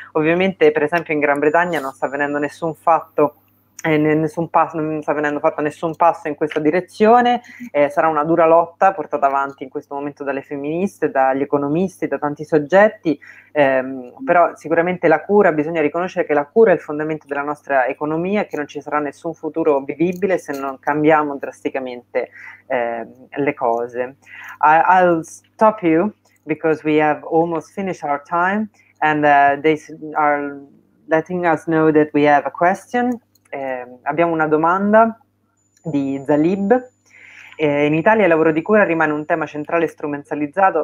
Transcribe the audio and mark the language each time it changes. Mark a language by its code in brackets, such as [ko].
[it] Ovviamente per esempio in Gran Bretagna non sta avvenendo nessun fatto, non sta venendo fatto nessun passo in questa direzione, sarà una dura lotta portata avanti in questo momento dalle femministe, dagli economisti, da tanti soggetti, però sicuramente la cura, bisogna riconoscere che la cura è il fondamento della nostra economia, che non ci sarà nessun futuro vivibile se non cambiamo drasticamente le cose. [en] I'll stop you because we have almost finished our time and they are letting us know that we have a question. [it] Abbiamo una domanda di Zalib In Italia il lavoro di cura rimane un tema centrale strumentalizzato.